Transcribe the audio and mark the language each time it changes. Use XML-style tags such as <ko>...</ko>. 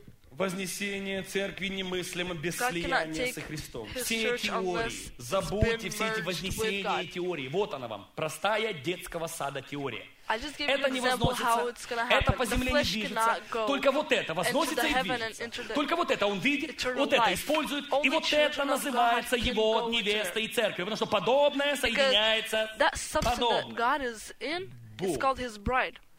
<ru>Вознесение церкви немыслимо без слияния со Христом. Все теории, забудьте все эти вознесения и теории. Вот она вам, простая детского сада теория.</ru> <en>I just gave you an example how it's going to happen.</en> <ru>Это по земле не движется. Только вот это возносится и движется. Только вот это он видит, вот это использует. И вот это называется его невеста и церковь. Потому что подобное соединяется подобное.</ru> <en>That substance that God is in is called his bride.</en>